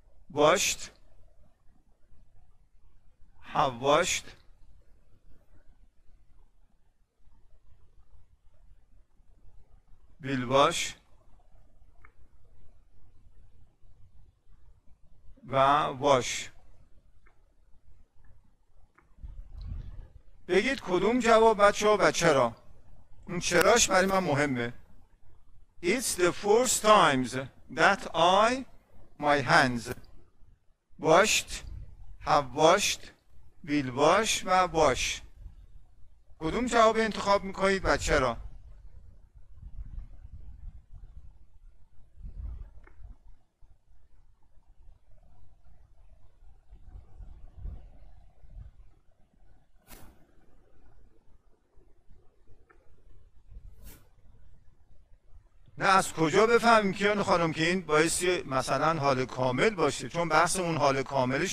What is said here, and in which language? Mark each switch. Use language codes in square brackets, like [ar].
[fa] واشت، هواشت، بیلواش و واش. بگید کدوم جواب بچه ها و چرا. اون چراش برای من مهمه. [en] It's the first times that I my hands washed, have washed, will wash و wash. [fa] کدوم جواب انتخاب میکنید و چرا؟ نه از کجا بفهمیم کیان خانم که این بایستی مثلا حال کامل باشه؟ چون بحث اون حال کامله.